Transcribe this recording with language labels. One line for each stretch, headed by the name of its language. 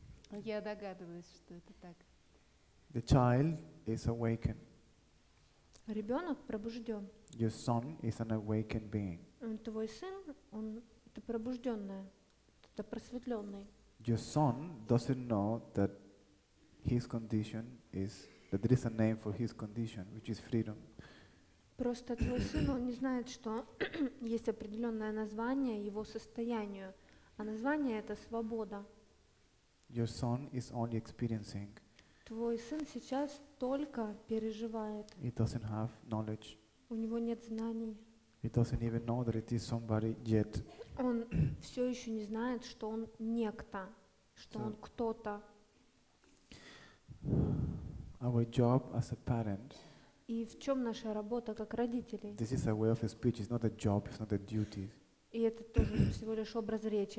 Russian: Я догадываюсь, что это так.
English: The child is awakened.
Russian: Ребенок пробужден.
English: Your son is an awakened being.
Russian: Твой сын, он это пробужденное, это просветленный.
English: Your son doesn't know that his condition is that there is a name for his condition, which is freedom.
Russian: Просто твой сын, он не знает, что есть определенное название его состоянию, а название это свобода.
English: Your son is only experiencing.
Russian: Твой сын сейчас только переживает.
English: He doesn't have knowledge.
Russian: У него нет знаний.
English: He doesn't even know that it is somebody yet.
Russian: Он все еще не знает, что он некто, что он кто-то.
English: Our job as a parent.
Russian: И в чем наша работа как родителей?
English: This is a way of speech. It's not a job. It's not a duty.
Russian: И это тоже всего лишь образ речи.